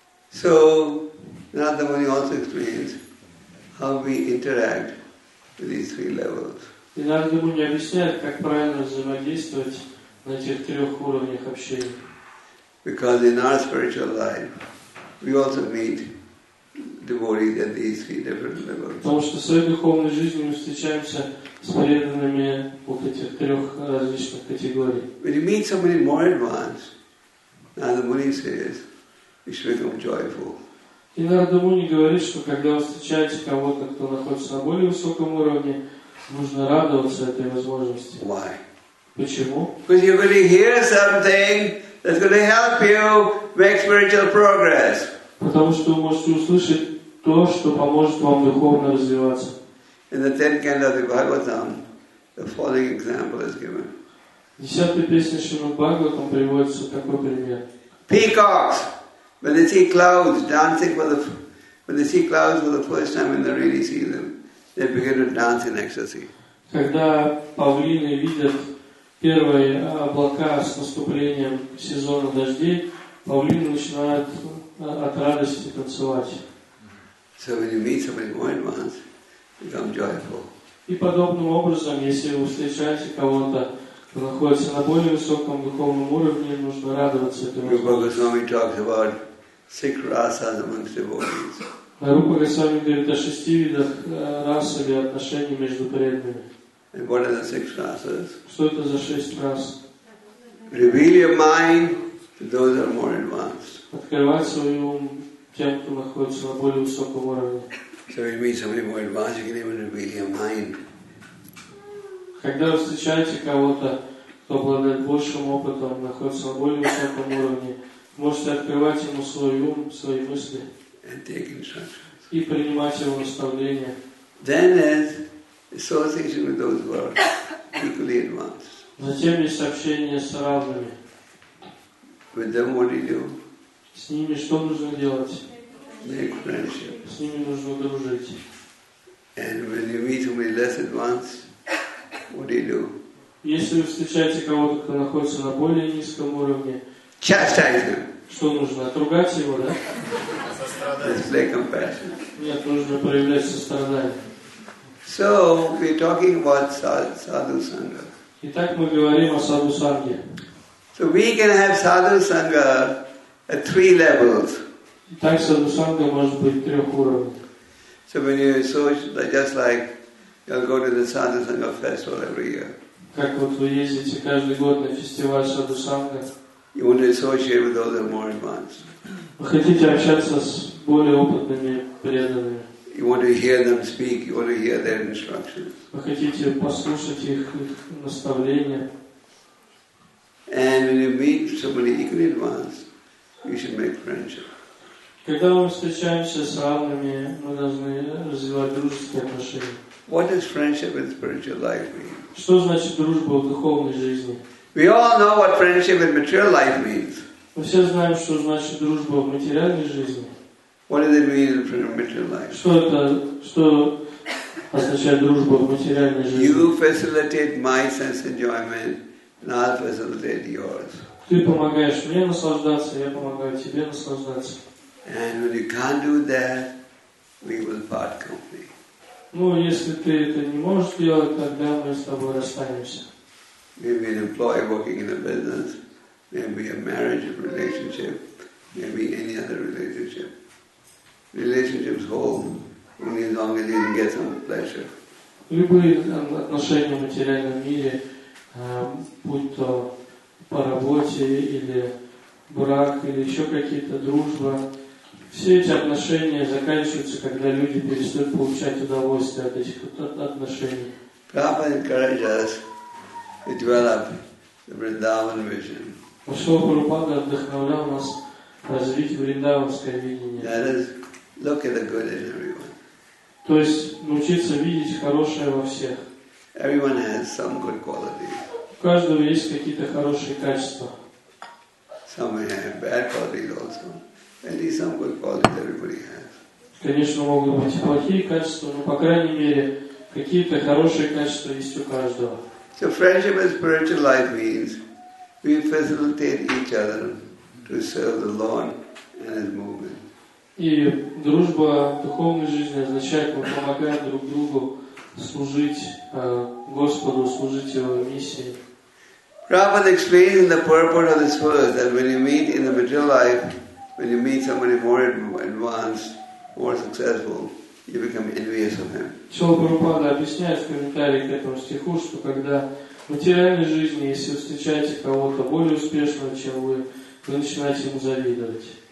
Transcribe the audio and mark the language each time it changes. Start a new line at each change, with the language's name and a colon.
English: So Narada Muni also explains how we interact with these three levels.
Russian: И Narada Muni объясняет, как правильно взаимодействовать на этих трех уровнях общения.
English: Because in our spiritual life, we also meet devotees at these three different levels.
Russian: Потому что в своей духовной жизни мы встречаемся с преданными вот этих трех различных категорий.
English: When you meet somebody more advanced, Narada Muni says, you should become joyful.
Russian: И Narada Muni говорит, что когда вы встречаете кого-то, кто находится на более высоком уровне, нужно радоваться этой возможности.
English: Why?
Russian: Почему?
English: Because you're going to hear something that's going to help you make spiritual progress.
Russian: Потому что вы можете услышать то, что поможет вам духовно развиваться.
English: In the 10th canto of the Bhagavatam, the following example is given. Peacocks, when they see clouds dancing when they see clouds for the first time in the rainy season, they begin to dance in ecstasy.
Russian: Когда павлины видят первые облака с наступлением сезона дождей, павлины начинают от радости танцевать.
English: So when you meet somebody more advanced, you become joyful.
Russian: И подобным образом, если вы встречаете кого-то, кто находится на более высоком духовном уровне, нужно радоваться этому.
English: Rupa Goswami talks about six rasas amongst devotees.
Russian: Рупа Госвами говорит о шести видах рас или отношений между преданными.
English: And what are the six rasas?
Russian: Что это за шесть рас?
English: Reveal your mind to those who are more advanced.
Russian: Открывать свой ум тем, кто находится на более высоком уровне.
English: So you meet somebody more advanced, you can even reveal your mind.
Russian: Когда вы встречаете кого-то, кто обладает большим опытом, находится на более высоком уровне, можете открывать ему свой ум, свои мысли.
English: And take instructions.
Russian: И принимать его наставления.
English: Then is association with those who are equally advanced.
Russian: Затем есть общение с равными.
English: With them, what do you do?
Russian: С ними что нужно делать?
English: Make friendship.
Russian: С ними нужно дружить.
English: And when you meet somebody less advanced, what do you do?
Russian: Если вы встречаете кого-то, кто находится на более низком уровне,
English: chastise him.
Russian: Что нужно? Отругать его, да?
English: Display compassion.
Russian: Нет, нужно проявлять сострадание.
English: So we're talking about sadhu sangha.
Russian: Итак, мы говорим о садху санге.
English: So we can have sadhu sangha at three levels.
Russian: Итак, садху санга может быть трех уровней.
English: So when you associate, just like you'll go to the sadhu sangha festival every year.
Russian: Как вот вы ездите каждый год на фестиваль садху санга?
English: You want to associate with those who are more advanced.
Russian: Вы хотите общаться с более опытными преданными.
English: You want to hear them speak, you want to hear their instructions.
Russian: Вы хотите послушать их наставления.
English: And when you meet somebody equally advanced, you should make friendship.
Russian: Когда мы встречаемся с равными, мы должны развивать дружеские отношения.
English: What does friendship in spiritual life mean?
Russian: Что значит дружба в духовной жизни?
English: We all know what friendship in material life means.
Russian: Мы все знаем, что значит дружба в материальной жизни.
English: What does it mean in material life?
Russian: Что означает дружба в материальной жизни?
English: You facilitate my sense enjoyment, and I'll facilitate yours.
Russian: Ты помогаешь мне наслаждаться, я помогаю тебе наслаждаться.
English: And when you can't do that, we will part company.
Russian: Ну, если ты это не можешь делать, тогда мы с тобой расстанемся.
English: Maybe an employee working in a business. Maybe a marriage relationship, maybe any other relationship. Relationships hold only as long as you can get some pleasure.
Russian: Любые отношения в материальном мире, будь то по работе или брак или еще какие-то дружба, все эти отношения заканчиваются, когда люди перестают получать удовольствие от этих отношений.
English: Prabhupada encouraged us to develop the Vrindavan vision.
Russian: Ашлава Прабхупада вдохновлял нас развить вриндаванское видение. То есть научиться видеть хорошее во всех.
English: Everyone has some good qualities.
Russian: У каждого есть какие-то хорошие качества.
English: Some may have bad qualities also. At least some good qualities everybody has.
Russian: Конечно, могут быть плохие качества, но по крайней мере какие-то хорошие качества есть у каждого.
English: So friendship and spiritual life means we facilitate each other to serve the Lord and His movement.
Russian: И дружба духовной жизни означает, мы помогаем друг другу служить Господу, служить Его миссии.
English: Prabhupada explains the purpose of this verse that when you meet in the material life, when you meet somebody more advanced, more successful, you become envious of him.
Russian: Шрила Прабхупада объясняет в комментарии к этому стиху, что когда в материальной жизни, если вы встречаете кого-то более успешного, чем вы начинаете ему завидовать.